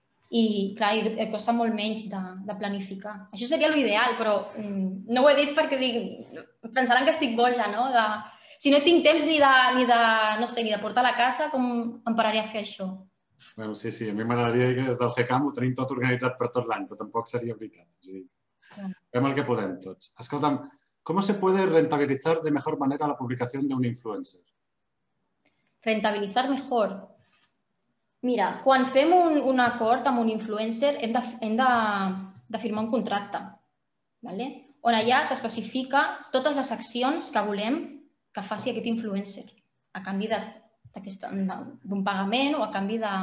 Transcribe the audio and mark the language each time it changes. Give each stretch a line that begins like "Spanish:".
Catalan: I, clar, costa molt menys de planificar. Això seria l'ideal, però no ho he dit perquè dic, pensaran que estic boja, no?, Si no tinc temps ni de portar a la casa, com em pararé a fer això? Bueno, sí, sí. A mi m'agradaria que des del FECAM ho tenim tot organitzat per tot l'any, però tampoc seria veritat. O sigui, fem el que podem tots.
Spanish: Escolta'm, ¿cómo se puede rentabilizar de mejor manera la publicación de un influencer? Rentabilizar mejor.
Catalan: Mira, quan fem un acord amb un influencer hem de firmar un contracte, ¿vale?, on allà s'especifica totes les accions que volem que faci aquest influencer a canvi d'un pagament o a canvi